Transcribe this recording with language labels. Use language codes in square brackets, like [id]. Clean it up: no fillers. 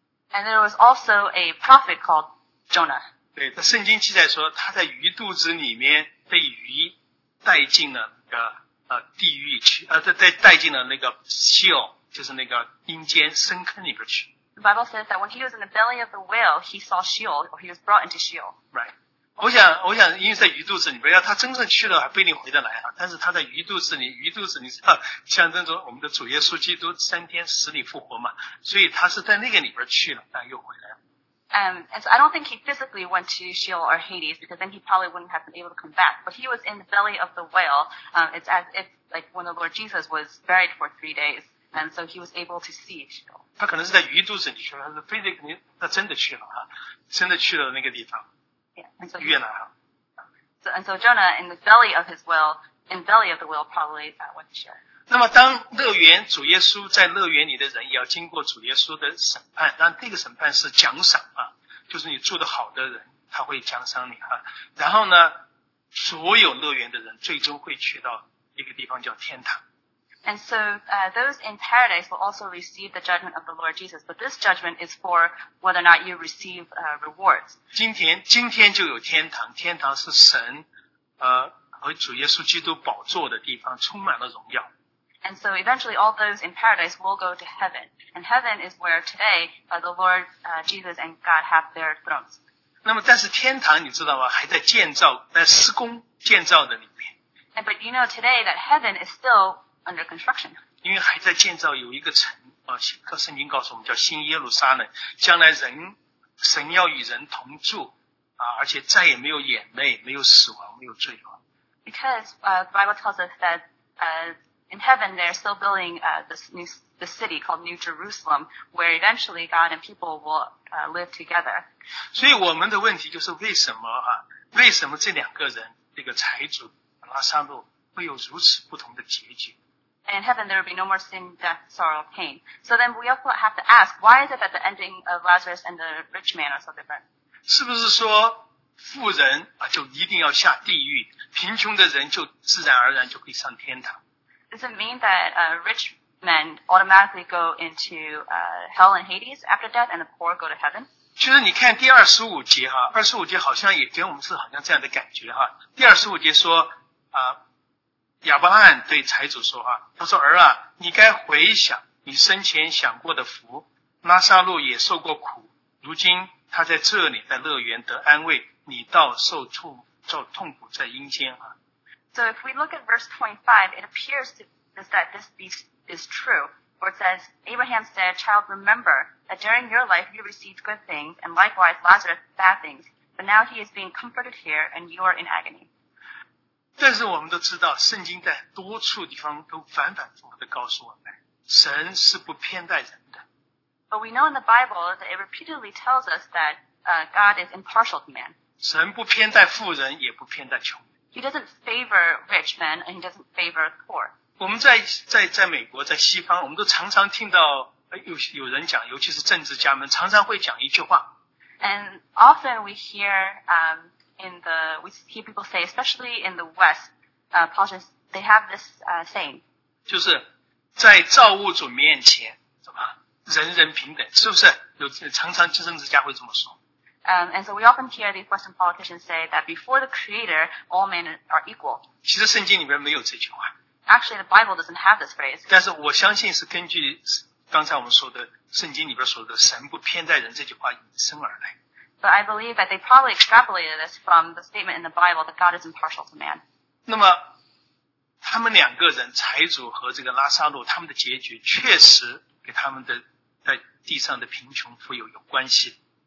[en] And there was also a prophet called Jonah. [zh] 对，他圣经记载说他在鱼肚子里面被鱼带进了那个地狱去，带进了那个 Sheol， 就是那个阴间深坑里边去。 [en] The Bible says that when he was in the belly of the whale, he saw Sheol, or he was brought into Sheol. Right. [zh] 我想，因为在鱼肚子里边，要他真正去了，还不一定回得来啊。但是他在鱼肚子里，知道象征着我们的主耶稣基督三天死里复活嘛，所以他是在那个里边去了，但又回来了。 [en] And so I don't think he physically went to Sheol or Hades because then he probably wouldn't have been able to come back. But he was in the belly of the whale. It's as if like when the Lord Jesus was buried for 3 days, and so he was able to see Sheol. [zh] 他可能是在鱼肚子里去了，他是非得肯定他真的去了哈，真的去了那个地方。 [en] Yeah, and so. And so Jonah in the belly of his whale, in the belly of the whale, probably went to Sheol. [zh] 那么当乐园主耶稣在乐园里的人也要经过主耶稣的审判，但这个审判是奖赏啊，就是你做得好的人他会奖赏你啊。然后呢，所有乐园的人最终会去到一个地方叫天堂。 [en] And so those in paradise will also receive the judgment of the Lord Jesus, but this judgment is for whether or not you receive rewards. [zh] 今天就有天堂，天堂是神和主耶稣基督宝座的地方，充满了荣耀。 [en] And so eventually all those in paradise will go to heaven. And heaven is where today the Lord Jesus and God have their thrones. [zh] 那么但是天堂你知道吗？还在建造，在施工建造的里面。 [en] And but you know today that heaven is still under construction. [zh] 因为还在建造有一个城啊，圣经告诉我们叫新耶路撒冷，将来神要与人同住啊，而且再也没有眼泪，没有死亡，没有罪亡。 [en] Because the Bible tells us that In heaven, they're still building this city called New Jerusalem, where eventually God and people will live together. [zh] 所以我们的问题就是为什么这两个人，这个财主和拉撒路会有如此不同的结局？ [en] And in heaven, there will be no more sin, death, sorrow, pain. So then we also have to ask, why is it that the ending of Lazarus and the rich man are so different? [zh] 是不是说富人就一定要下地狱，贫穷的人就自然而然就可以上天堂？ [en] Does it mean that rich men automatically go into hell and Hades after death, and the poor go to heaven? [zh] 其实你看第二十五节哈，二十五节好像也给我们是好像这样的感觉哈。第二十五节说亚伯拉罕对财主说哈，他说儿啊，你该回想你生前享过的福，拉撒路也受过苦，如今他在这里在乐园得安慰，你倒受痛苦在阴间哈。 [en] So if we look at verse 25, it appears that this is true. For it says, Abraham said, Child, remember that during your life you received good things, and likewise Lazarus bad things. But now he is being comforted here, and you are in agony. [zh] 但是我们都知道，圣经在多处地方都反反复复地告诉我们，神是不偏待人的。 [en] But we know in the Bible that it repeatedly tells us that God is impartial to man. [zh] 神不偏待富人，也不偏待穷人。 [en] He doesn't favor rich men and he doesn't favor poor. [zh] 我们在美国，在西方，我们都常常听到有人讲，尤其是政治家们，常常会讲一句话。 [en] And often we hear we hear people say, especially in the West, politicians, they have this saying. [zh] 就是在造物主面前，什么人人平等，是不是？有常常政治家会这么说。 [en] And so we often hear these Western politicians say that before the Creator, all men are equal. [zh] 其实圣经里面没有这句话。 [en] Actually, the Bible doesn't have this phrase. [zh] 但是我相信是根据刚才我们说的圣经里边说的神不偏待人这句话引申而来。 [en] But I believe that they probably extrapolated this from the statement in the Bible that God is impartial to man. [zh] 那么他们两个人财主和这个拉撒路他们的结局确实跟他们的在地上的贫穷富有有关系。